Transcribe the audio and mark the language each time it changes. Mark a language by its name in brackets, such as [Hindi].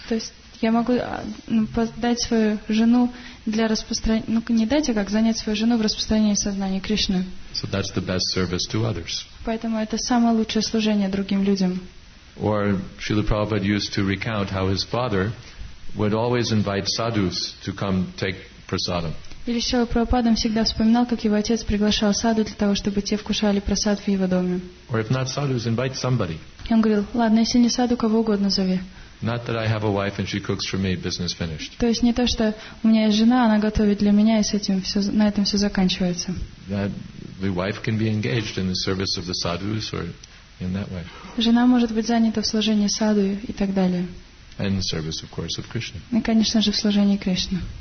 [Russian] То есть я могу дать свою жену для распространения, ну не дать, а как занять свою жену в распространении сознания Кришны. [English] So that's the best service to others. [Russian] Поэтому это самое лучшее служение другим людям. [English] Or Srila Prabhupada used to recount how his father would always invite sadhus to come take prasadam. [Russian] Или Шрила Прабхупада всегда вспоминал, как его отец приглашал саду для того, чтобы те вкушали просад в его доме. [English] Or if not sadhus, invite somebody. [Russian] И он говорил, ладно, если не саду, кого угодно зови. [English] Not that I have a wife and she cooks for me, business finished. [Russian] То есть не то, что у меня есть жена, она готовит для меня, и с этим все, на этом все заканчивается. [English] That the wife can be engaged in the service of the sadhus or in that way. [Russian] Жена может быть занята в служении саду и так далее. [English] And service, of course, of Krishna. [Russian] И, конечно же, в служении Кришны.